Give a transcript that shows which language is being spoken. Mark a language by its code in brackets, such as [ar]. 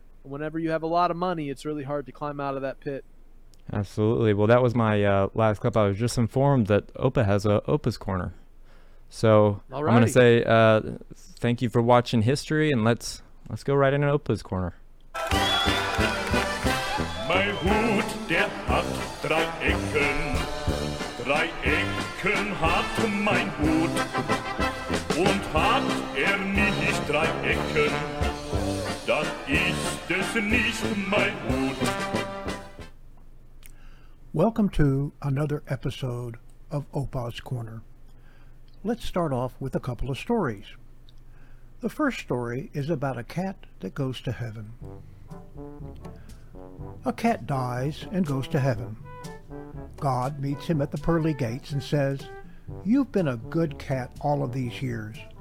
[en] Whenever you have a lot of money, it's really hard to climb out of that pit. Absolutely. Well, that was my last clip. I was just informed that Opa has a Opa's Corner. So alrighty. I'm going to say thank you for watching history, and let's go right into Opa's Corner. [de] Mein Hut, der hat drei Ecken. Drei Ecken hat mein Hut. Und hat nicht drei Ecken, dann ist es nicht mein Hut. [en] Welcome to another episode of Opa's Corner. Let's start off with a couple of stories. The first story is about a cat that goes to heaven. A cat dies and goes to heaven. God meets him at the pearly gates and says, "You've been a good cat all of these years.